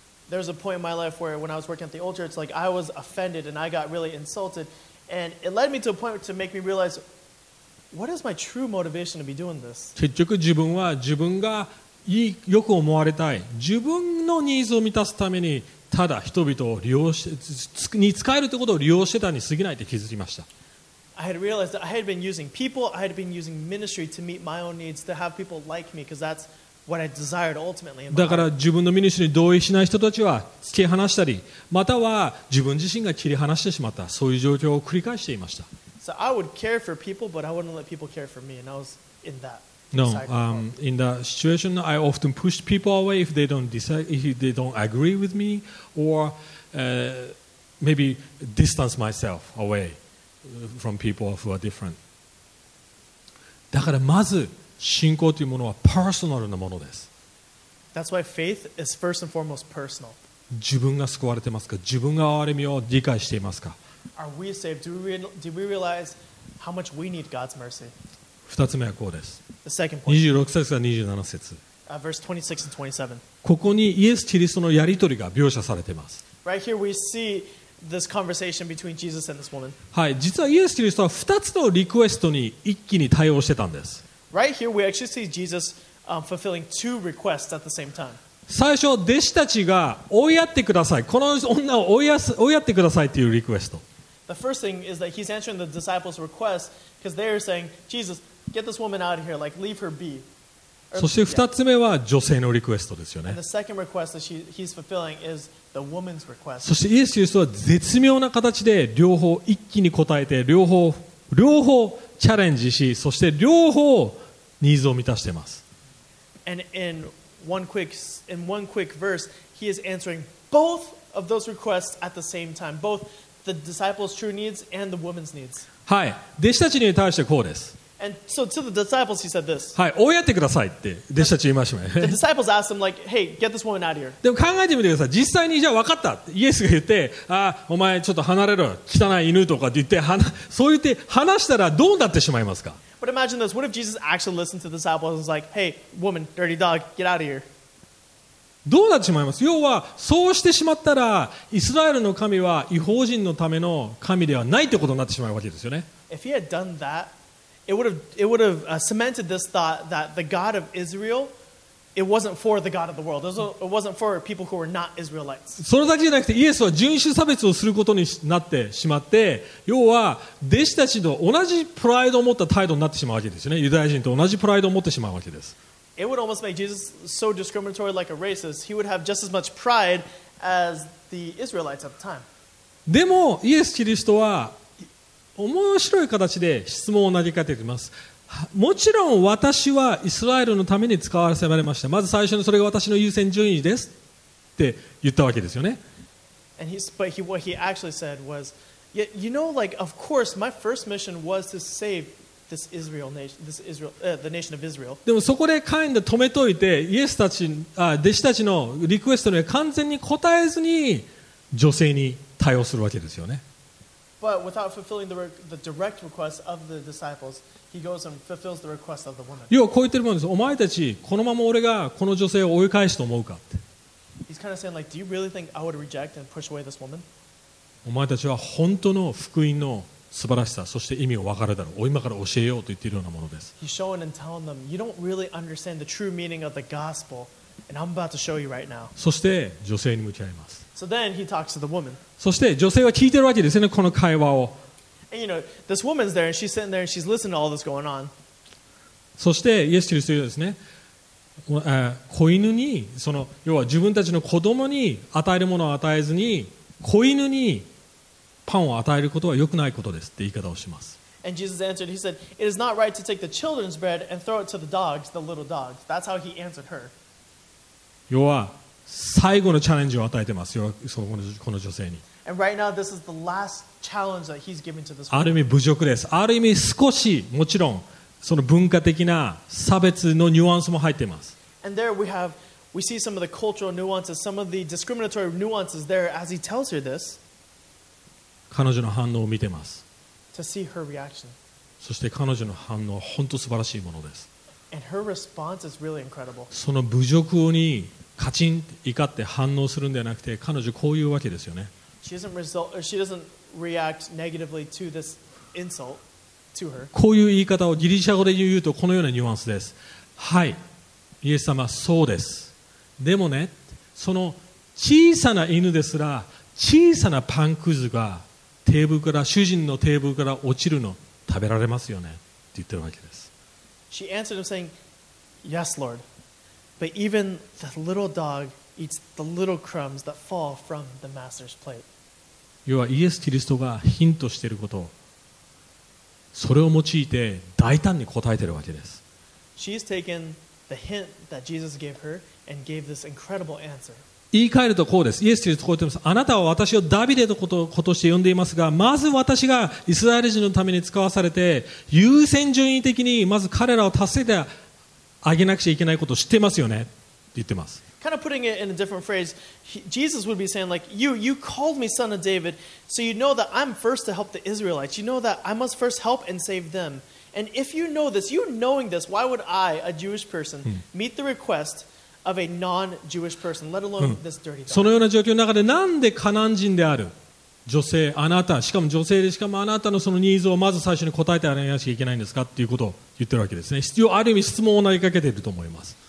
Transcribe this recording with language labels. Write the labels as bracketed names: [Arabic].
[English] There was a point in my life where when I was working at the old church, like I was offended and I got really insulted. And it led me to a point to make me realize, what is my true motivation to be doing this? [Japanese] 結局自分は自分がいい、よく思われたい。自分のニーズを満たすために、ただ人々を利用し、に使えるということを利用してたに過ぎないって気づきました。 [English] I had realized that I had been using people, I had been using ministry to meet my own needs, to have people like me, because that's... What I desired ultimately. [Japanese] だから自分のミニストリーに同意しない人たちは突き放したり、または自分自身が切り離してしまった、そういう状況を繰り返していました。 [English] So I would care for people, but I wouldn't let people care for me, and I was in that. No, in the situation, I often pushed people away if they don't decide, if they don't agree with me, or maybe distance myself away from people who are different. [Japanese] だからまず信仰というものはパーソナルなものです。 [English] That's why faith is first and foremost personal. [Japanese] 自分が救われてますか？自分が憐れみを理解していますか？ [English] Are we saved? Do we realize how much we need God's mercy? [Japanese] 二つ目はこうです。 [English] The second point. 26 [Japanese] 節から27節。 [English] Verse 26 and 27. [Japanese] ここにイエス・キリストのやり取りが描写されています。 [English] Right here we see this conversation between Jesus and this woman. [Japanese] はい、実はイエス・キリストは二つのリクエストに一気に対応してたんです。 [English] Right here, we actually see Jesus fulfilling two requests at the same time. [Japanese] 最初、弟子たちが追いやってください。この女を追いやってくださいというリクエスト。 [English] The first thing is that he's answering the disciples' request because they are saying, Jesus, get this woman out of here, like leave her be. [Japanese] そして二つ目は女性のリクエストですよね。 [English] And the second request that he's fulfilling is the woman's request. [Japanese] そしてイエス・キリストは絶妙な形で両方一気に答えて、両方チャレンジし、そして両方ニーズを満たしています。 [English] And in one quick verse, he is answering both of those requests at the same time, both the disciples' true needs and the woman's needs. [Japanese] はい、弟子たちに対してこうです。 [English] And so to the disciples, he said this. [Japanese] はい、追いやってくださいって弟子たちに言いましたね。 [English] The disciples asked him like, "Hey, get this woman out of here." [Japanese] でも考えてみてください。実際にじゃあ分かったってイエスが言って、ああ、お前ちょっと離れろ、汚い犬とかって言って、そう言って離したらどうなってしまいますか。 [English] But imagine this. What if Jesus actually listened to the disciples and was like, "Hey, woman, dirty dog, get out of here." [Japanese] どうなってしまいます。要はそうしてしまったらイスラエルの神は異邦人のための神ではないってことになってしまうわけですよね。 [English] If he had done that. It would have cemented this thought that the God of Israel, it wasn't for the God of the world. It wasn't for people who were not Israelites. [Japanese] それだけじゃなくて、イエスは人種差別をすることになってしまって、要は弟子たちと同じプライドを持った態度になってしまうわけですよね。ユダヤ人と同じプライドを持ってしまうわけです。 [English] It would almost make Jesus so discriminatory like a racist. He would have just as much pride as the Israelites at the time. [Japanese] でもイエス・キリストは面白い形で質問を投げかけています。もちろん私はイスラエルのために使わせられました。まず最初にそれが私の優先順位ですって言ったわけですよね。 [English] But what he actually said was, yeah, you know, like, of course, my first mission was to save this Israel nation, the nation of Israel. [Japanese] でもそこで [English] kind of [Japanese] 止めといて、イエスたち、弟子たちのリクエストには完全に応えずに女性に対応するわけですよね。 [English] But without fulfilling the direct request of the disciples, he goes and fulfills the request of the woman. [Japanese] 要はこう言ってるもんです。お前たち、このまま俺がこの女性を追い返すと思うかって。 [English] He's kind of saying, like, do you really think I would reject and push away this woman? [Japanese] お前たちは本当の福音の素晴らしさ、そして意味を分かるだろう。今から教えようと言っているようなものです。 [English] He's showing and telling them, you don't really understand the true meaning of the gospel, and I'm about to show you right now. [Japanese] そして女性に向き合います。 [English] So then he talks to the woman. [Japanese] そして女性は聞いてるわけですね、この会話を。 [English] And you know, this woman's there, and she's sitting there, and she's listening to all this going on. [Japanese] そしてイエス・キリストですね。子犬にその要は自分たちの子供に与えるものを与えずに子犬にパンを与えることは良くないことですって言い方をします。 [English] And Jesus answered, he said, it is not right to take the children's bread and throw it to the dogs, the little dogs. That's how he answered her. [Japanese] 要は最後のチャレンジを与えてます。要はこの女性に。 [English] And right now this is the last challenge that he's giving to this [Japanese] woman. ある意味侮辱です。ある意味少しもちろんその文化的な差別のニュアンスも入っています。 [English] And there we have, we see some of the cultural nuances, some of the discriminatory nuances there as he tells her this. [Japanese] 彼女の反応を見てます。 [English] To see her reaction. [Japanese] そして彼女の反応は本当に素晴らしいものです。 [English] And her response is really incredible. [Japanese] その侮辱にカチンって怒って反応するんではなくて、彼女こういうわけですよね。 [English] She doesn't react negatively to this insult. [Japanese] こういう言い方をギリシャ語で言うとこのようなニュアンスです。はい、イエス様そうです。でもね、その小さな犬ですら小さなパンくずがテーブルから主人のテーブルから落ちるの食べられますよねって言ってるわけです。 [English] She answered him saying, Yes, Lord, but even the little dog eats the little crumbs that fall from the master's plate. [Japanese] 要はイエス・キリストがヒントしていることを、それを用いて大胆に答えているわけです。 [English] She's taken the hint that Jesus gave her and gave this incredible answer. [Japanese] 言い換えるとこうです。イエス・キリストこう言っています。あなたは私をダビデのこと、として呼んでいますが、まず私がイスラエル人のために使わされて、優先順位的にまず彼らを助けてあげなくちゃいけないことを知ってますよねって言ってます。 [English] Kind of putting it in a different phrase, Jesus would be saying, like, you called me son of David, so you know that I'm first to help the Israelites. You know that I must first help and save them. And if you know this, you knowing this, why would I, a Jewish person, meet the request of a non-Jewish person, let alone this dirty dog? [Japanese] そのような状況の中で、なんでカナン人である女性、あなた、しかも女性で、しかもあなたのそのニーズをまず最初に答えてあげなきゃいけないんですかっていうことを言ってるわけですね。必要ある意味質問を投げかけていると思います。